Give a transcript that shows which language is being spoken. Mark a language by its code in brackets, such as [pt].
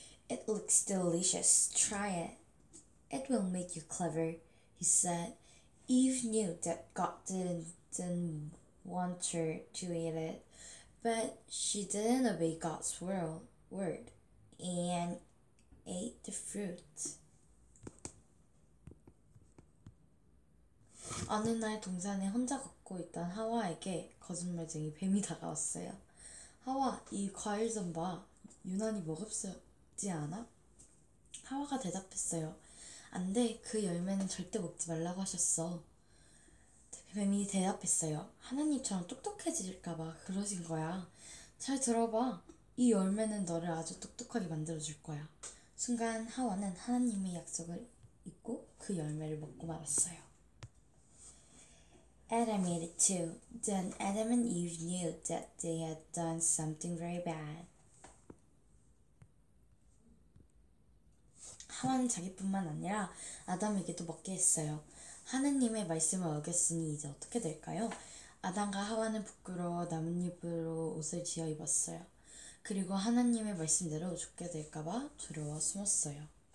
[en] It looks delicious. Try it. It will make you clever, he said. Eve knew that God didn't want her to eat it, but she didn't obey God's word and ate the fruit. [ko] 어느 날 동산에 혼자 걷고 있던 하와에게 거짓말쟁이 뱀이 다가왔어요. 하와, 이 과일 좀 봐. 유난히 먹었지 않아? 하와가 대답했어요. 안 돼. 그 열매는 절대 먹지 말라고 하셨어. 뱀이 대답했어요. 하나님처럼 똑똑해질까봐 그러신 거야. 잘 들어봐. 이 열매는 너를 아주 똑똑하게 만들어줄 거야. 순간 하와는 하나님의 약속을 잊고 그 열매를 먹고 말았어요. [en] Adam ate it too. Then Adam and Eve knew that they had done something very bad. [ko] 하와는 자기뿐만 아니라 아담에게도 먹게 했어요. 하느님의 말씀을 어겼으니 이제 어떻게 될까요? 아담과 하와는 부끄러워 나뭇잎으로 옷을 지어 입었어요. 그리고 하느님의 말씀대로 죽게 될까봐 두려워 숨었어요.